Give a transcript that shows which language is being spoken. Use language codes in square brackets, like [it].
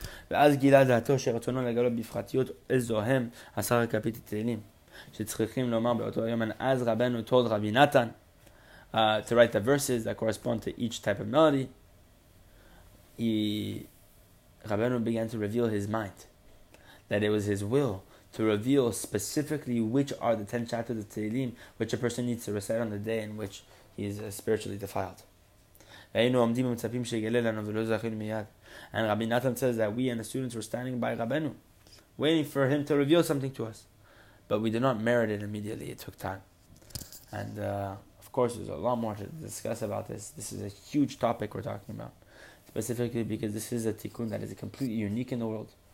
[he] ואז גילה דעתו שרצונו לגלות בפרטיות איזו הם עשרה כפיתי תהילים שצריכים לומר באותו היום. [en] And as Rabbeinu told Rabbi Natan to write the verses that correspond to each type of melody, Rabbeinu began to reveal his mind, that it was his will to reveal specifically which are the 10 chapters of Tehillim which a person needs to recite on the day in which he is spiritually defiled. [he] והיינו עומדים ומצפים שיגלה לנו ולא זכינו מיד. [en] And Rabbi Natan says that we and the students were standing by Rabbeinu, waiting for him to reveal something to us. But we did not merit it immediately. It took time. And of course, there's a lot more to discuss about this. This is a huge topic we're talking about. Specifically because this is a tikkun that is completely unique in the world.